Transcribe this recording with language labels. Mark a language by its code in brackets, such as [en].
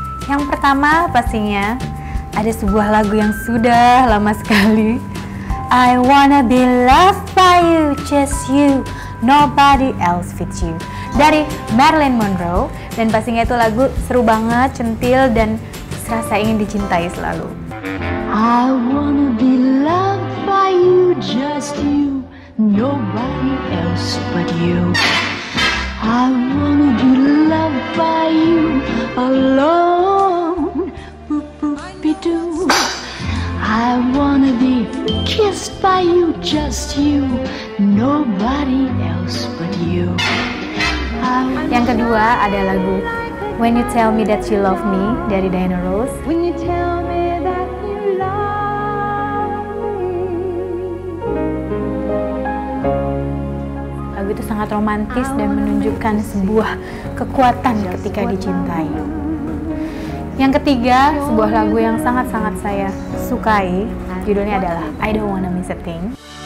[id] Yang pertama pastinya ada sebuah lagu yang sudah lama sekali. [en] I wanna be loved by you, just you, nobody else fits you. [id] Dari Marilyn Monroe, dan pastinya itu lagu seru banget, centil, dan serasa ingin dicintai selalu. [en] I wanna be loved by you, just you, nobody else but you. I wanna be loved by you, alone, boop-boop-be-doo. I wanna be kissed by you, just you, nobody else but you. [id] Yang kedua ada lagu When You Tell Me That You Love Me dari Diana Ross. [en] When you tell me that you love me. [id] Lagu itu sangat romantis dan menunjukkan sebuah kekuatan ketika dicintai. Yang ketiga, sebuah lagu yang sangat-sangat saya sukai, judulnya adalah I Don't Wanna Miss a Thing.